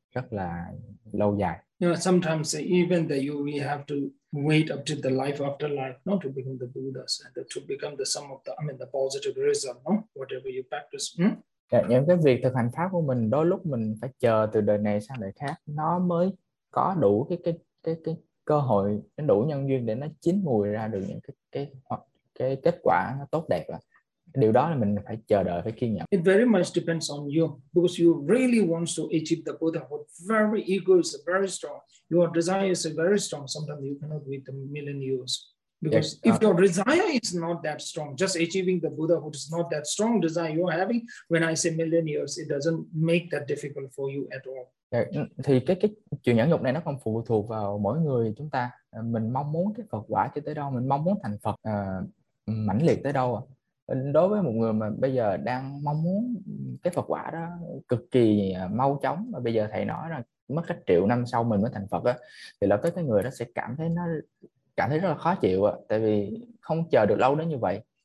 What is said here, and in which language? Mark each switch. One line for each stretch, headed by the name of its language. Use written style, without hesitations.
Vietnamese: rất là lâu dài.
English: You know, sometimes even that you we have to wait up to the life after life, not to become the Buddha, to become the sum of the, I mean, the positive result, no? Whatever you practice. Hmm?
Vietnamese: Yeah, những cái việc thực hành pháp của mình đôi lúc mình phải chờ từ đời này sang đời khác nó mới có đủ cái cơ hội, nó đủ nhân duyên để nó chín mùi ra được những cái kết quả nó tốt đẹp là. Điều đó là mình phải chờ đợi, phải kiên nhẫn.
English: It very much depends on you because you really want to achieve the Buddhahood. Very ego is very strong. Your desire is very strong. Sometimes you cannot wait a million years. Because if your desire is not that strong, just achieving the Buddhahood is not that strong desire you are having, when I say million years, it doesn't make that difficult for you at all.
Vietnamese: Thì cái chuyện nhẫn nhục này nó không phụ thuộc vào mỗi người chúng ta. Mình mong muốn cái Phật quả cho tới đâu, mình mong muốn thành Phật mãnh liệt tới đâu. Đối với một người mà bây giờ đang mong muốn cái Phật quả đó cực kỳ mau chóng, mà bây giờ thầy nói là mất cách triệu năm sau mình mới thành Phật á, thì lập tức cái người đó sẽ cảm thấy rất là khó chịu á, tại vì không chờ được lâu đến như vậy.